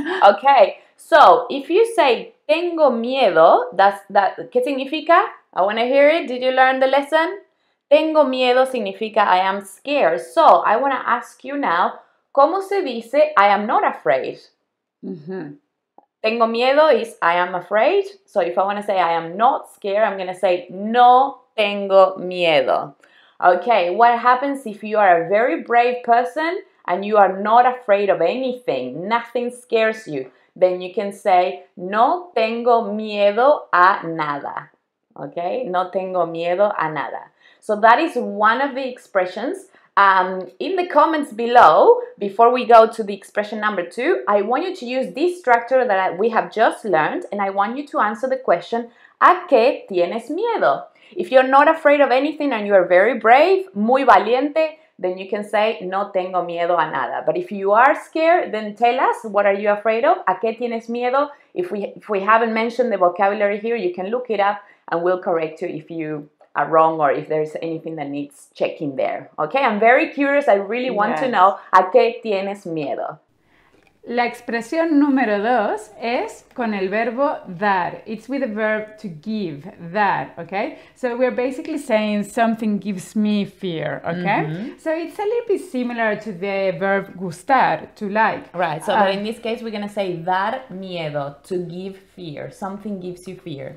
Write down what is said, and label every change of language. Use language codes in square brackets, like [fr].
[en] Okay, so if you say [es] tengo miedo, [en] that [es] ¿qué significa? [en] I want to hear it. Did you learn the lesson? [es] Tengo miedo significa [en] I am scared. So, I want to ask you now, [es] ¿cómo se dice [en] I am not afraid? [es] Tengo miedo [en] is I am afraid. So, if I want to say I am not scared, I'm going to say [es] no tengo miedo. [en] Okay, what happens if you are a very brave person and you are not afraid of anything, nothing scares you, then you can say [es] no tengo miedo a nada. Okay, no tengo miedo a nada. [en] So that is one of the expressions. In the comments below, before we go to the expression number two, I want you to use this structure that we have just learned, and I want you to answer the question, [es] ¿a qué tienes miedo? [en] If you're not afraid of anything and you are very brave, [es] muy valiente, [en] then you can say, [es] no tengo miedo a nada. [en] But if you are scared, then tell us, what are you afraid of? [es] ¿A qué tienes miedo? [en] If we haven't mentioned the vocabulary here, you can look it up and we'll correct you if you are wrong or if there's anything that needs checking there. Okay, I'm very curious. I really want to know, [es] ¿a qué tienes miedo? La expresión número dos es con el verbo dar. [en] It's with the verb to give, dar, okay? So we're basically saying something gives me fear, okay? So it's a little bit similar to the verb gustar, to like. Right, so but in this case we're going to say [es] dar miedo, [en] to give fear. Something gives you fear.